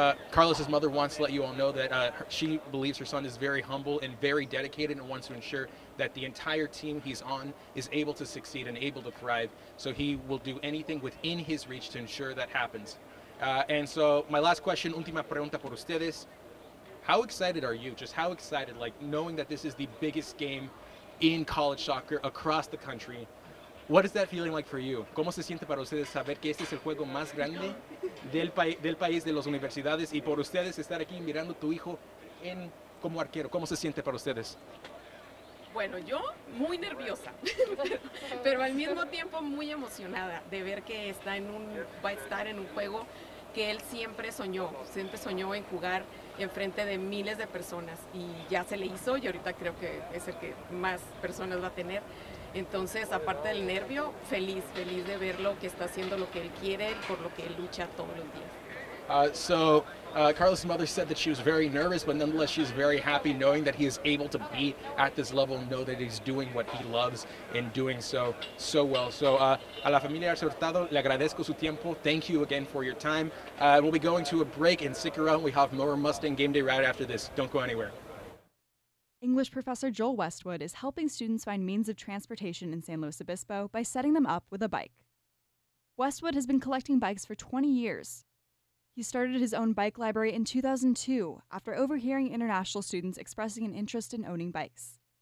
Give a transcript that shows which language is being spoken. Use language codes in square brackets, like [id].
[en] Carlos's mother wants to let you all know that she believes her son is very humble and very dedicated and wants to ensure that the entire team he's on is able to succeed and able to thrive. So he will do anything within his reach to ensure that happens. And so my last question, [es] última pregunta por ustedes. [en] How excited are you? Just how excited, like knowing that this is the biggest game in college soccer across the country. What is that feeling like for you? [es] ¿Cómo se siente para ustedes saber que este es el juego más grande del país, de las universidades, y por ustedes estar aquí mirando a tu hijo como arquero? ¿Cómo se siente para ustedes? Bueno, yo muy nerviosa, pero al mismo tiempo muy emocionada de ver que va a estar en un juego que él siempre soñó en jugar en frente de miles de personas, y ya se le hizo, y ahorita creo que es el que más personas va a tener. Entonces, aparte del nervio, feliz, feliz de ver lo que está haciendo, lo que él quiere, por lo que él lucha todos los días. [en] Carlos' mother said that she was very nervous, but nonetheless she's very happy knowing that he is able to be at this level and know that he's doing what he loves and doing so well. [es] So a la familia Arce Hurtado, le agradezco su tiempo. [en] Thank you again for your time. We'll be going to a break, and stick around. We have more Mustang Game Day right after this. Don't go anywhere. English professor Joel Westwood is helping students find means of transportation in San Luis Obispo by setting them up with a bike. Westwood has been collecting bikes for 20 years. He started his own bike library in 2002 after overhearing international students expressing an interest in owning bikes.